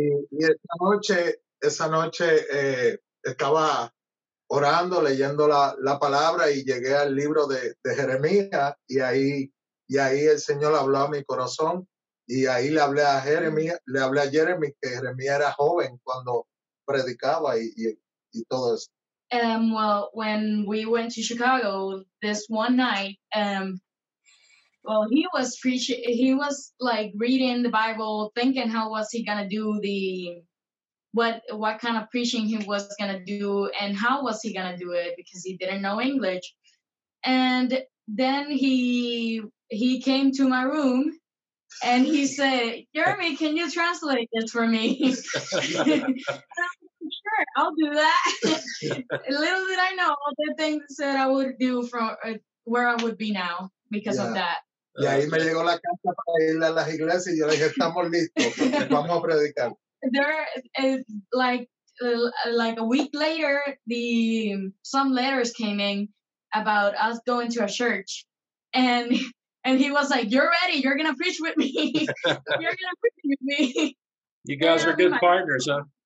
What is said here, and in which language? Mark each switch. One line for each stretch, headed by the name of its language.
Spanish: Y esa noche estaba orando, leyendo la palabra y llegué al libro de Jeremías y ahí el Señor habló a mi corazón y ahí le hablé a Jeremy que Jeremías era joven cuando predicaba y todo eso.
English: Well, when we went to Chicago this one night, he was preaching. He was like reading the Bible, thinking how was he gonna do what kind of preaching he was gonna do, and how was he gonna do it because he didn't know English. And then he came to my room, and he said, "Jeremy, can you translate this for me?" Sure, I'll do that. Little did I know all the things that I would do from where I would be now because of that.
Spanish: Y ahí me llegó la carta para ir a las iglesias y yo le dije, estamos listos, vamos a predicar.
English: There is like a week later, some letters came in about us going to a church. And he was like, you're ready, you're going to preach with me. You're going to preach with me. You guys are good partners, huh?